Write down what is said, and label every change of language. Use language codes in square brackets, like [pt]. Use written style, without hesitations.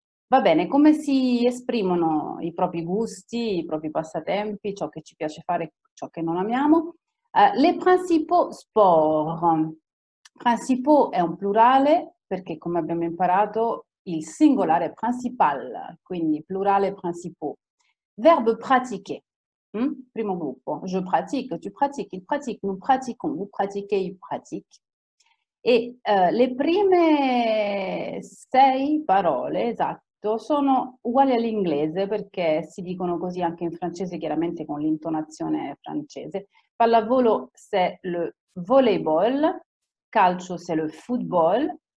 [it] Va bene, come si esprimono i propri gusti, i propri passatempi, ciò che ci piace fare, ciò che non amiamo? [fr] Les principaux sports. [it] Principaux è un plurale, perché come abbiamo imparato il singolare principal, quindi plurale principaux. [fr] Verbe pratiquer, [it] primo gruppo, [fr] je pratique, tu pratiques, il pratique, nous pratiquons, vous pratiquez, il pratique. [it] E le prime sei parole, esatto, sono uguali all'inglese perché si dicono così anche in francese, chiaramente con l'intonazione francese. [fr] Pallavolo, c'est le volleyball, calcio, c'est le football.